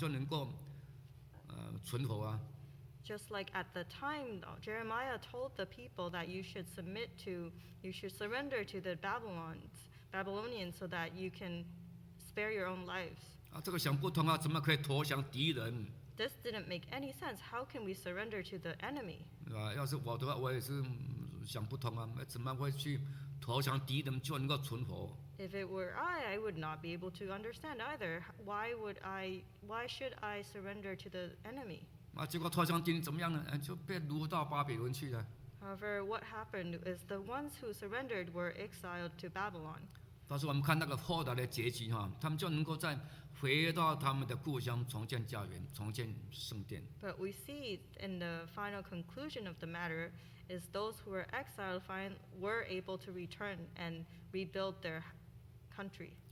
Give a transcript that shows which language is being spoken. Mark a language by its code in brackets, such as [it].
[zh] 啊，你就是比如说，当时耶利米啊，告诉这些犹太人说，你们去投降巴比伦人啊，就能够存活啊。 [en] Just like at the time, Jeremiah told the people that you should surrender to the Babylonians so that you can spare your own lives. [zh] 啊，这个想不通啊，怎么可以投降敌人？ [en] This didn't make any sense. How can we surrender to the enemy? [zh] 啊，要是我的话，我也是想不通啊，怎么会去投降敌人就能够存活？ [en] If it were I would not be able to understand either. Why should I surrender to the enemy? [zh] 啊，结果投降敌人怎么样呢？就被掳到巴比伦去了。 [en] However, what happened is the ones who surrendered were exiled to Babylon. [zh] 但是我们看那个后来的结局，他们就能够再回到他们的故乡，重建家园，重建圣殿。 [en] But we see in the final conclusion of the matter is those who were exiled were able to return and rebuild their country.